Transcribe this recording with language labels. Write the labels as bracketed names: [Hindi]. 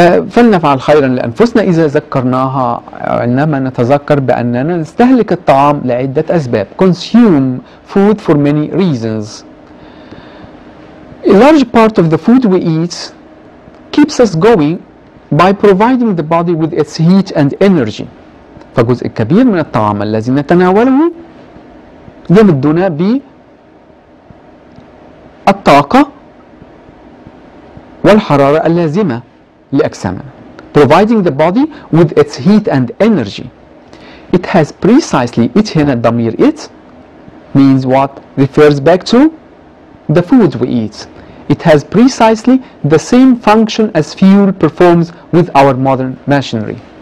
[Arabic] فلنفعل خيرا لأنفسنا إذا ذكرناها عندما نتذكر بأننا نستهلك الطعام لعدة أسباب. [English] Consume food for many reasons. A large part of the food we eat keeps us going by providing the body with its heat and energy. [Arabic] فجزء كبير من الطعام الذي نتناوله يمدنا بالطاقة والحرارة اللازمة. لأجسامنا. [English] Providing the body with its heat and energy. It has precisely it [Arabic] هنا الضمير [English] it means what refers back to the food we eat. It has precisely the same function as fuel performs with our modern machinery.